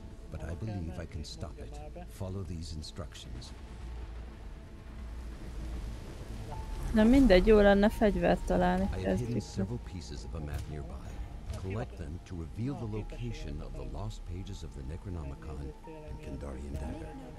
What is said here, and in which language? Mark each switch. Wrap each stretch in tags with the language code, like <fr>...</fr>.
<en>But I believe I can stop it. Follow these instructions.</en> <hu>Na mindegy, jó lenne fegyvert találni.</hu> <en>I have hidden several pieces of a map nearby. Collect them to reveal the location of the lost pages of the Necronomicon and Kandarian dagger.</en>